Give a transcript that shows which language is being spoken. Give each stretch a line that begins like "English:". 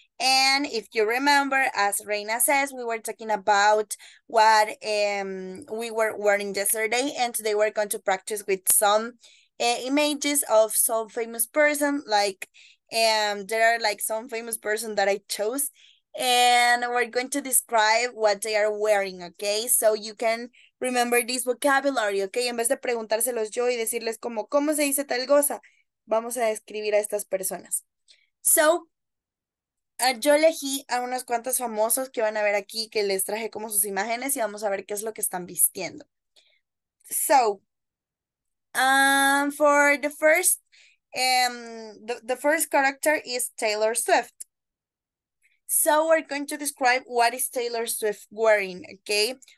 English: And if you remember, as Reina says, we were talking about what we were wearing yesterday, and today we're going to practice with some images of some famous person. Like, there are like some famous person that I chose. And we're going to describe what they are wearing, okay? So you can remember this vocabulary, okay?
Spanish: En vez de preguntárselos yo y decirles como, ¿cómo se dice tal cosa? Vamos a describir a estas personas. So, yo elegí a unos cuantos famosos que van a ver aquí, que les traje como sus imágenes y vamos a ver qué es lo que están vistiendo.
English: So, for the first, the first character is Taylor Swift. So we're going to describe what is Taylor Swift wearing, okay?